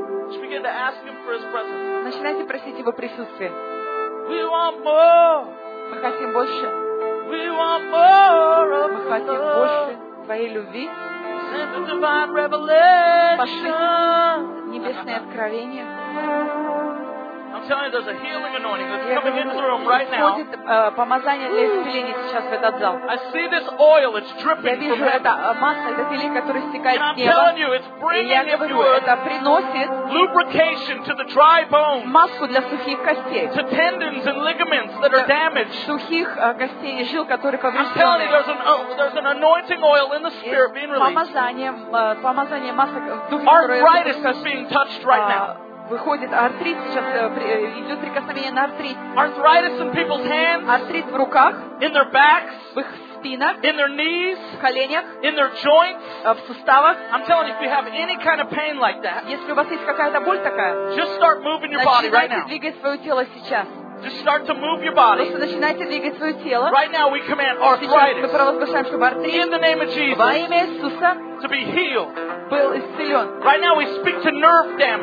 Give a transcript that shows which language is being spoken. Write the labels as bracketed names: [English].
[English] Just begin to ask him for his presence. [Russian] Начинайте просить его присутствие. [English] We want more. [Russian] Мы хотим больше. [English] We want more of [Russian] Мы хотим [English] love. [Russian] Больше твоей любви. [English] Send the divine revelation. [Russian] Пошли небесное откровение. [English] I'm telling you, there's a healing anointing that's coming into the room right now. I see this oil, it's dripping from heaven. And I'm telling you, it's bringing, if you would, lubrication to the dry bones, to tendons and ligaments that are damaged. I'm telling you, there's an anointing oil in the spirit being released. Arthritis is being touched right now. [Russian] Выходит артрит, сейчас идет прикосновение на артрит. [English] Arthritis in people's hands. [Russian] Артрит в руках. [English] In their backs. [Russian] В их спинах. [English] In their knees. [Russian] В коленях. [English] In their joints. [Russian] В суставах. [English] I'm telling you, if you have any kind of pain like that, [Russian] если у вас есть какая-то боль такая, [English] just start moving your body right now. [Russian] Начинайте двигать свое тело сейчас. [English] Just start to move your body. [Russian] Просто начинайте двигать свое тело. [English] Right now we command arthritis. [Russian] Мы провозглашаем, чтобы артрит. [English] In the name of Jesus. [Russian] Во имя Иисуса. [English] To be healed. [Russian] Был исцелен. [English] Right now we speak to nerve damage.